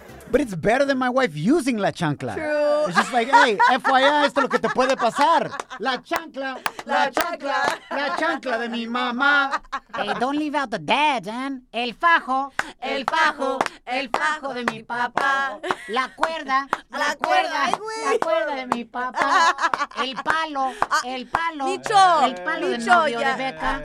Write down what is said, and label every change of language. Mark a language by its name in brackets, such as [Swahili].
[English] But it's better than my wife using la chancla. True. It's just like, hey, FYI, [Spanish] esto es lo que te puede pasar. La chancla. La chancla. La chancla de mi mamá. [English] Hey, don't leave out the dad, man. [Spanish] El fajo. El fajo. El fajo de mi papá. La cuerda. La cuerda. La cuerda de mi papá. El palo. El palo. Micho. El palo Micho, del novio de Becca.